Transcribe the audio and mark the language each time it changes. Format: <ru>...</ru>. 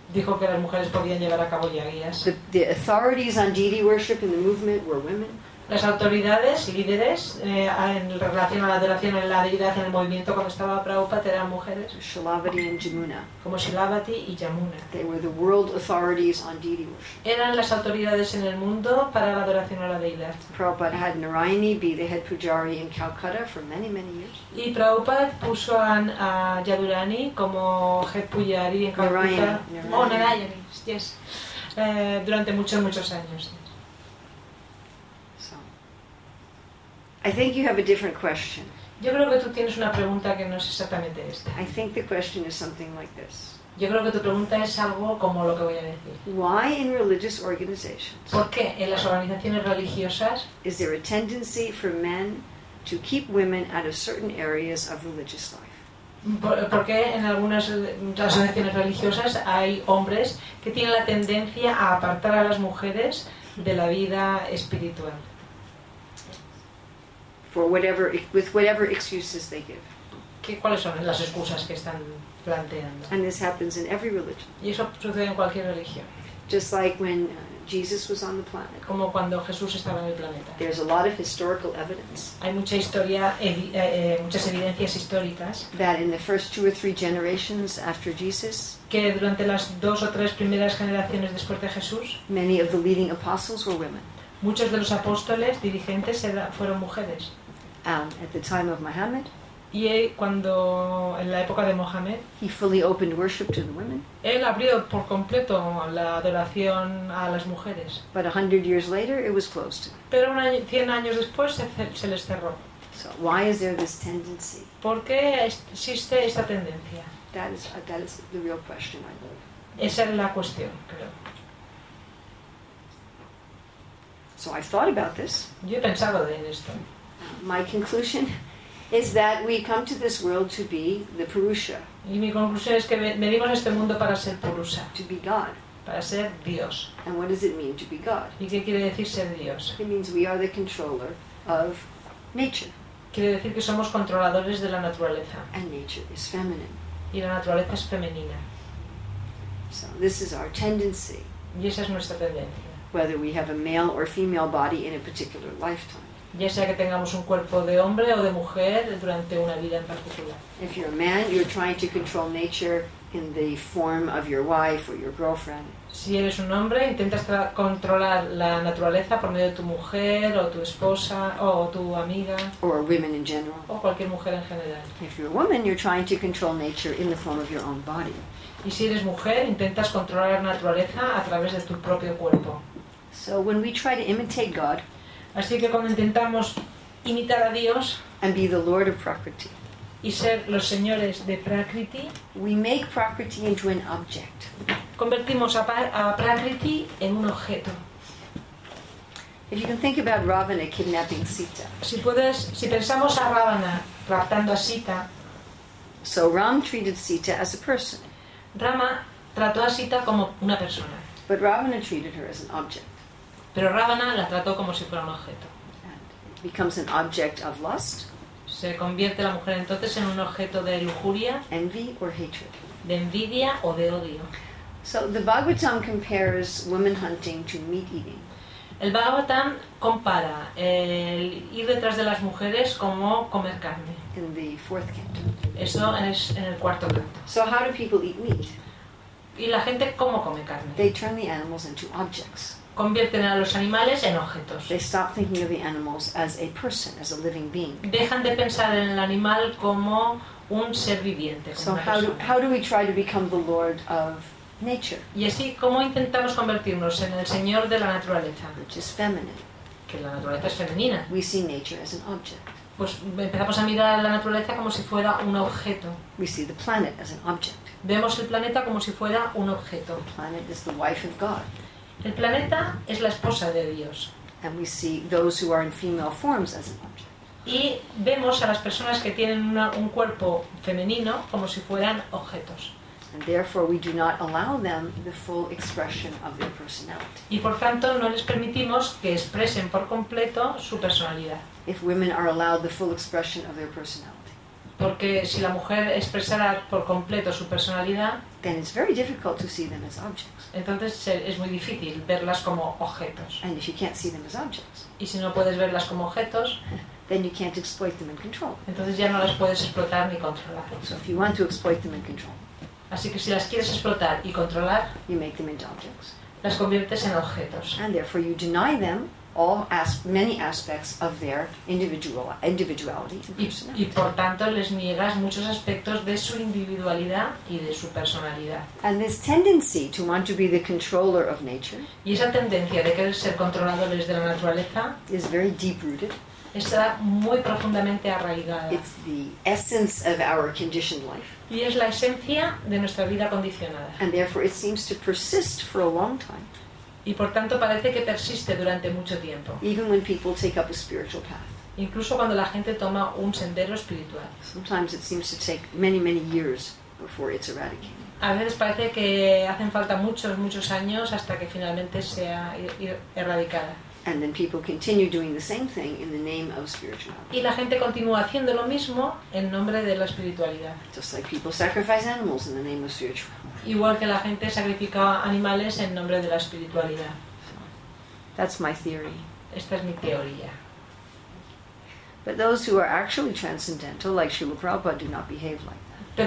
<es>Dijo que las mujeres podían llevar a cabo yagyas.</es> <en>The authorities on deity worship in the movement were women.</en> <es>Las autoridades, líderes, en relación a la adoración en la deidad en el movimiento cuando estaba Prabhupada eran mujeres.</es> <en>Shilavati and Jamuna.</en> <es>Como Shilavati y Jamuna.</es> <en>They were the world authorities on deity worship.</en> <es>Eran las autoridades en el mundo para la adoración a la deidad.</es> <en>Prabhupada had Narayani be the head pujari in Calcutta for many, many years.</en> <es>Y Prabhupada puso a Yadurani como</es> <en>head pujari</en> <es>en Calcutta.</es> <en>Narayani, yes.</en> <es>Durante muchos, muchos años.</es> <en>I think you have a different question.</en> <es>Yo creo que tú tienes una pregunta que no es exactamente esta.</es> <en>I think the question is something like this.</en> <es>Yo creo que tu pregunta es algo como lo que voy a decir.</es> <en>Why in religious organizations?</en> <es>¿Por qué en las organizaciones religiosas?</es> <en>Is there a tendency for men to keep women out of certain areas of religious life?</en> <es>¿Por qué en algunas organizaciones religiosas hay hombres que tienen la tendencia a apartar a las mujeres de la vida espiritual?</es> <en>For whatever, with whatever excuses they give.</en> <es>¿Cuáles son las excusas que están planteando?</es> <en>And this happens in every religion.</en> <es>Y eso sucede en cualquier religión.</es> <en>Just like when Jesus was on the planet.</en> <es>Como cuando Jesús estaba en el planeta.</es> <en>There's a lot of historical evidence.</en> <es>Hay mucha historia, muchas evidencias históricas.</es> <en>That in the first two or three generations after Jesus.</en> <es>Que durante las dos o tres primeras generaciones después de Jesús.</es> <en>Many of the leading apostles were women.</en> <es>Muchos de los apóstoles dirigentes fueron mujeres.</es> <en>At the time of Muhammad,</en> <es>y cuando en la época de Mohammed,</es> <en>he fully opened worship to the women.</en> <es>Él abrió por completo la adoración a las mujeres.</es> <en>But 100 years later, it was closed.</en> <es>Pero 100 años después se les cerró.</es> <en>So why is there this tendency?</en> <es>¿Por qué existe esta tendencia?</es> <en>That is the real question, I believe.</en> <es>Esa es la cuestión, creo.</es> <en>So I've thought about this.</en> <es>Yo he pensado en esto.</es> <en>My conclusion is that we come to this world to be the Purusha.</en> <es>Y mi conclusión es que venimos a este mundo para ser Purusha.</es> <en>To be God.</en> <es>Para ser Dios.</es> <en>And what does it mean to be God?</en> <es>¿Y qué quiere decir ser Dios?</es> <en>It means we are the controller of nature.</en> <es>Quiere decir que somos controladores de la naturaleza.</es> <en>And nature is feminine.</en> <es>Y la naturaleza es femenina.</es> <en>So this is our tendency.</en> <es>Y esa es nuestra tendencia.</es> <en>Whether we have a male or female body in a particular lifetime.</en> <es>Ya sea que tengamos un cuerpo de hombre o de mujer durante una vida en particular.</es> <en>If you're a man, you're trying to control nature in the form of your wife or your girlfriend.</en> <es>Si eres un hombre, intentas controlar la naturaleza por medio de tu mujer o tu esposa o tu amiga.</es> <en>Or women in general.</en> <es>O cualquier mujer en general.</es> <en>If you're a woman, you're trying to control nature in the form of your own body.</en> <es>Y si eres mujer, intentas controlar la naturaleza a través de tu propio cuerpo.</es> <en>So when we try to imitate God,</en> <es>así que cuando intentamos imitar a Dios,</es> <en>and be the Lord of Prakriti,</en> <es>y ser los señores de Prakriti,</es> <en>we make Prakriti into an object.</en> <es>Convertimos a Prakriti en un objeto.</es> <en>If you can think about Ravana kidnapping Sita.</en> <es>Si pensamos a Ravana raptando a Sita,</es> <en>so Ram treated Sita as a person.</en> <es>Rama trató a Sita como una persona.</es> <en>But Ravana treated her as an object.</en> <es>Pero Ravana la trató como si fuera un objeto.</es> <en>And it becomes an object of lust.</en> <es>Se convierte la mujer entonces en un objeto de lujuria,</es> <en>envy or hatred.</en> <es>De envidia o de odio.</es> <en>So the Bhagavatam compares woman hunting to meat eating.</en> <es>El Bhagavatam compara el ir detrás de las mujeres como comer carne.</es> <en>In the fourth canto.</en> <es>Eso es en el cuarto canto.</es> <en>So how do people eat meat?</en> <es>¿Y la gente cómo come carne?</es> <en>They turn the animals into objects.</en> <es>Convierten a los animales en objetos.</es> <en>They stop thinking of the animals as a person, as a living being.</en> <es>Dejan de pensar en el animal como un ser viviente.</es> <en>So how do we try to become the lord of nature?</en> <es>Y así, ¿cómo intentamos convertirnos en el señor de la naturaleza?</es> <en>Which is feminine.</en> <es>Que la naturaleza es femenina.</es> <en>We see nature as an object.</en> <es>Pues empezamos a mirar la naturaleza como si fuera un objeto.</es> <en>We see the planet as an object.</en> <es>Vemos el planeta como si fuera un objeto.</es> <en>The planet is the wife of God.</en> <es>El planeta es la esposa de Dios.</es> <en>And we see those who are in female forms as an object.</en> <es>Y vemos a las personas que tienen un cuerpo femenino como si fueran objetos.</es> <en>And therefore we do not allow them the full expression of their personality.</en> <es>Y por tanto no les permitimos que expresen por completo su personalidad.</es> <en>If women are allowed the full expression of their personality.</en> <es>Porque si la mujer expresara por completo su personalidad,</es> <en>then it's very difficult to see them as objects.</en> <es>Entonces es muy difícil verlas como objetos.</es> <en>And if you can't see them as objects,</en> <es>y si no puedes verlas como objetos,</es> <en>then you can't exploit them and control.</en> <es>Entonces ya no las puedes explotar ni controlar.</es> <en>So if you want to exploit them and control,</en> <es>así que si las quieres explotar y controlar,</es> <en>you make them into objects.</en> <es>Las conviertes en objetos.</es> <en>And therefore you deny them all many aspects of their individuality and personality.</en> <es>Y por tanto les niegas muchos aspectos de su individualidad y de su personalidad.</es> <en>And this tendency to want to be the controller of nature,</en> <es>y esa tendencia de querer ser controladores de la naturaleza,</es> <en>is very deep-rooted.</en> <es>Está muy profundamente arraigada.</es> <en>It's the essence of our conditioned life.</en> <es>Y es la esencia de nuestra vida condicionada.</es> <en>And therefore it seems to persist for a long time.</en> <es>Y por tanto parece que persiste durante mucho tiempo.</es> <en>Even when people take up a spiritual path.</en> <es>Incluso cuando la gente toma un sendero espiritual.</es> <en>Sometimes it seems to take many, many years before it's eradicated.</en> <es>A veces parece que hacen falta muchos, muchos años hasta que finalmente sea erradicada.</es> <en>And then people continue doing the same thing in the name of spirituality.</en> <es>Y la gente continúa haciendo lo mismo en nombre de la espiritualidad.</es> <en>Just like people sacrifice animals in the name of spirituality.</en> <es>Igual que la gente sacrifica animales en nombre de la espiritualidad.</es> <en>That's my theory.</en> <es>Esta es mi teoría.</es> <en>But those who are actually transcendental, like Srila Prabhupada, do not behave like that.</en>